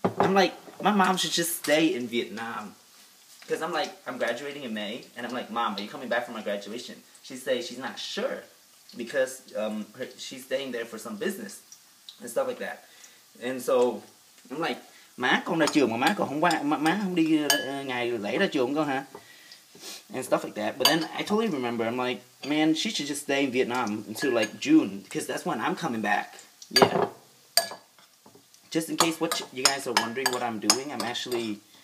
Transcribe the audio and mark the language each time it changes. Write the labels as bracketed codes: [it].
[en] I'm like, my mom should just stay in Vietnam. Because I'm like, I'm graduating in May, and I'm like, mom, are you coming back for my graduation? She says she's not sure, because she's staying there for some business, and stuff like that. And so, I'm like, [vi] má con ra trường mà má còn không qua, má không đi ngày lễ ra trường con hả? [en] And stuff like that. But then I totally remember, I'm like, man, she should just stay in Vietnam until like June, because that's when I'm coming back. Yeah. Just in case what you guys are wondering what I'm doing, I'm actually...